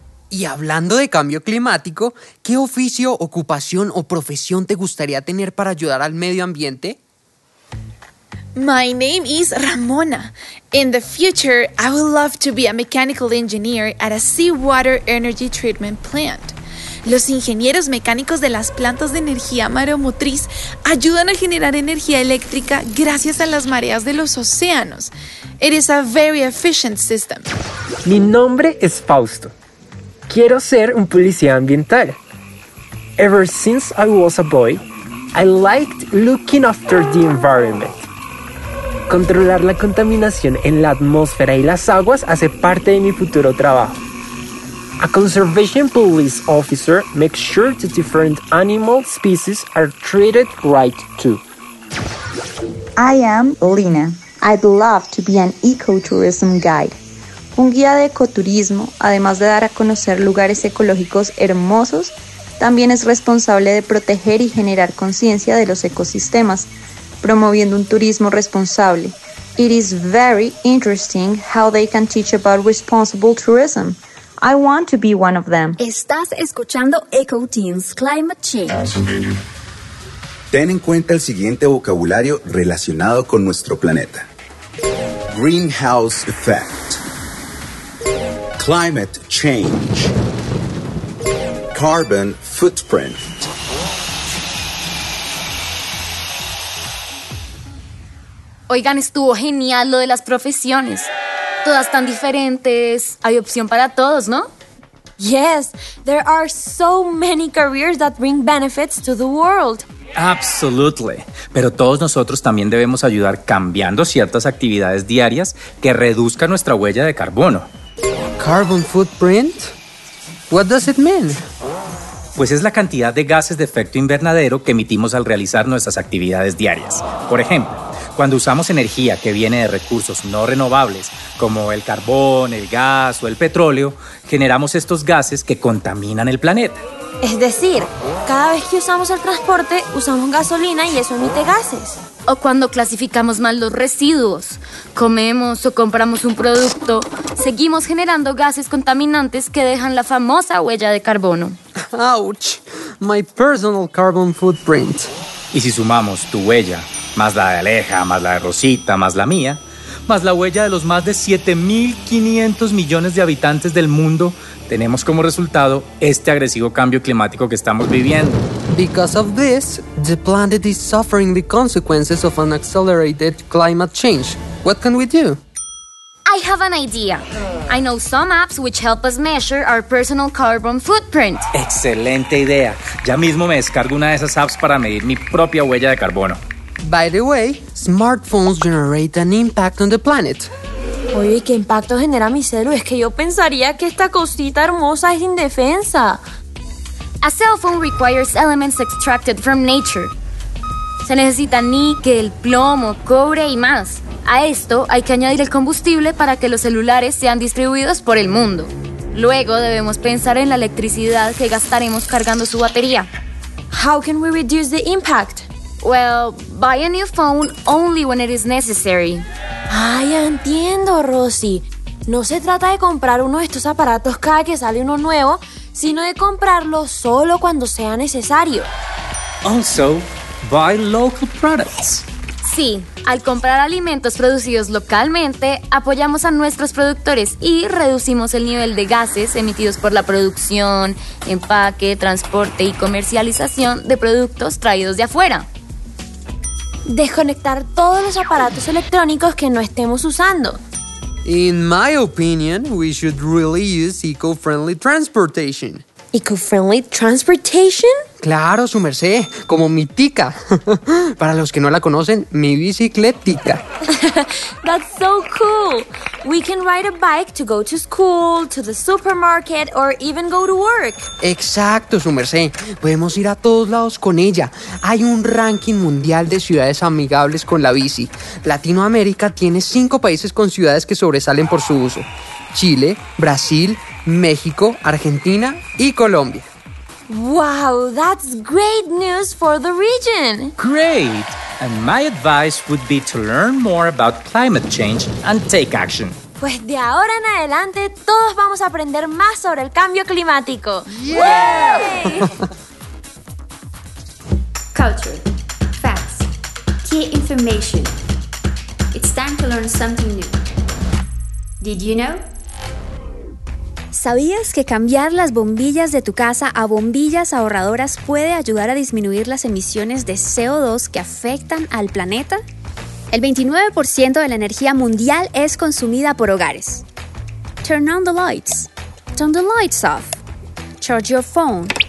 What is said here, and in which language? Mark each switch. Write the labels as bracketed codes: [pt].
[es] Y hablando de cambio climático, ¿qué oficio, ocupación o profesión te gustaría tener para ayudar al medio ambiente? [en] My name is Ramona. In the future, I would love to be a mechanical engineer at a seawater energy treatment plant. [es] Los ingenieros mecánicos de las plantas de energía mareomotriz ayudan a generar energía eléctrica gracias a las mareas de los océanos. [en] It is a very efficient system. [es] Mi nombre es Fausto. Quiero ser un policía ambiental. [en] Ever since I was a boy, I liked looking after the environment. [es] Controlar la contaminación en la atmósfera y las aguas hace parte de mi futuro trabajo. [en] A conservation police officer makes sure that different animal species are treated right too. I am Lina. I'd love to be an ecotourism guide. [es] Un guía de ecoturismo, además de dar a conocer lugares ecológicos hermosos, también es responsable de proteger y generar conciencia de los ecosistemas, promoviendo un turismo responsable. [en] It is very interesting how they can teach about responsible tourism. I want to be one of them. [es] Estás escuchando Eco Teens Climate Change. Ten en cuenta el siguiente vocabulario relacionado con nuestro planeta. [en] Greenhouse effect. Climate change. Carbon footprint. [es] Oigan, estuvo genial lo de las profesiones. Todas tan diferentes. Hay opción para todos, ¿no? [en] Yes, there are so many careers that bring benefits to the world. Absolutely. [es] Pero todos nosotros también debemos ayudar cambiando ciertas actividades diarias que reduzcan nuestra huella de carbono. [en] Carbon footprint? What does it mean? [es] Pues es la cantidad de gases de efecto invernadero que emitimos al realizar nuestras actividades diarias. Por ejemplo, cuando usamos energía que viene de recursos no renovables, como el carbón, el gas o el petróleo, generamos estos gases que contaminan el planeta. Es decir, cada vez que usamos el transporte, usamos gasolina y eso emite gases. O cuando clasificamos mal los residuos, comemos o compramos un producto, seguimos generando gases contaminantes que dejan la famosa huella de carbono. [en] ¡Ouch! My personal carbon footprint. [es] Y si sumamos tu huella, más la de Aleja, más la de Rosita, más la mía, más la huella de los más de 7.500 millones de habitantes del mundo, tenemos como resultado este agresivo cambio climático que estamos viviendo. [en] Because of this, the planet is suffering the consequences of an accelerated climate change. What can we do? I have an idea. I know some apps which help us measure our personal carbon footprint. [es] Excelente idea. Ya mismo me descargo una de esas apps para medir mi propia huella de carbono. [en] By the way, smartphones generate an impact on the planet. [es] Oye, ¿qué impacto genera mi celu? Es que yo pensaría que esta cosita hermosa es indefensa. [en] A cell phone requires elements extracted from nature. [es] Se necesita níquel, plomo, cobre y más. A esto hay que añadir el combustible para que los celulares sean distribuidos por el mundo. Luego debemos pensar en la electricidad que gastaremos cargando su batería. [en] How can we reduce the impact? Well, buy a new phone only when it is necessary. [es] Ay, entiendo, Rosy. No se trata de comprar uno de estos aparatos cada que sale uno nuevo, sino de comprarlo solo cuando sea necesario. [en] Also, buy local products. [es] Sí, al comprar alimentos producidos localmente, apoyamos a nuestros productores y reducimos el nivel de gases emitidos por la producción, empaque, transporte y comercialización de productos traídos de afuera. Desconectar todos los aparatos electrónicos que no estemos usando. [en] In my opinion, we should really use eco-friendly transportation. ¿Eco-friendly transportation? [es] Claro, su merced, como mi tica. Para los que no la conocen, mi bicicletica. [en] That's so cool. We can ride a bike to go to school, to the supermarket, or even go to work. [es] Exacto, su merced. Podemos ir a todos lados con ella. Hay un ranking mundial de ciudades amigables con la bici. Latinoamérica tiene 5 países con ciudades que sobresalen por su uso. Chile, Brasil, México, Argentina y Colombia. [en] Wow, that's great news for the region. Great. And my advice would be to learn more about climate change and take action. [es] Pues de ahora en adelante, todos vamos a aprender más sobre el cambio climático. [en] Yeah! Culture. Facts. Key information. It's time to learn something new. Did you know? [es] ¿Sabías que cambiar las bombillas de tu casa a bombillas ahorradoras puede ayudar a disminuir las emisiones de CO2 que afectan al planeta? El 29% de la energía mundial es consumida por hogares. [en] Turn on the lights. Turn the lights off. Charge your phone.